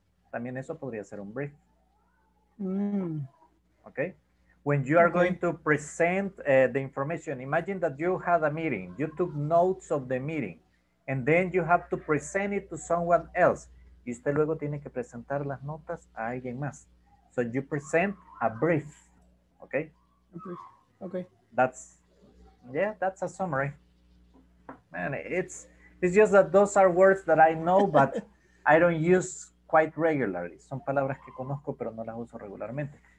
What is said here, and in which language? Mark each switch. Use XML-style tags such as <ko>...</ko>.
<es>También eso podría ser un brief. Mm.</es> <en>Okay. When you are okay. going to present the information, imagine that you had a meeting. You took notes of the meeting. And then you have to present it to someone else.</en> <es>Y usted luego tiene que presentar las notas a alguien más.</es> <en>So you present a brief. Okay? Okay. That's a summary. Man, it's just that those are words that I know, but I don't use quite regularly.</en> <es>Son palabras que conozco, pero no las uso regularmente.</es>